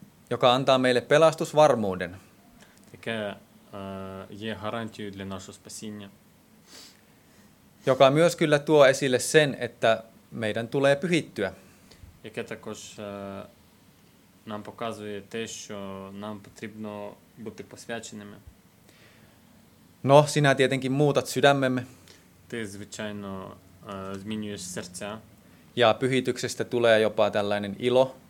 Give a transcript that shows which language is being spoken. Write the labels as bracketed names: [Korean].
[Finnish] joka antaa meille pelastusvarmuuden, [Ukrainian] яке є гарантією для нашого спасіння, [Finnish] joka myös kyllä tuo esille sen, että meidän tulee pyhittyä, [Ukrainian] яке також нам показує те, що нам потрібно бути посвяченими. [Finnish] No, sinä tietenkin muutat sydämemme. [Ukrainian] Ти, звичайно, змінюєш серця. [Finnish] Ja pyhityksestä tulee jopa tällainen ilo.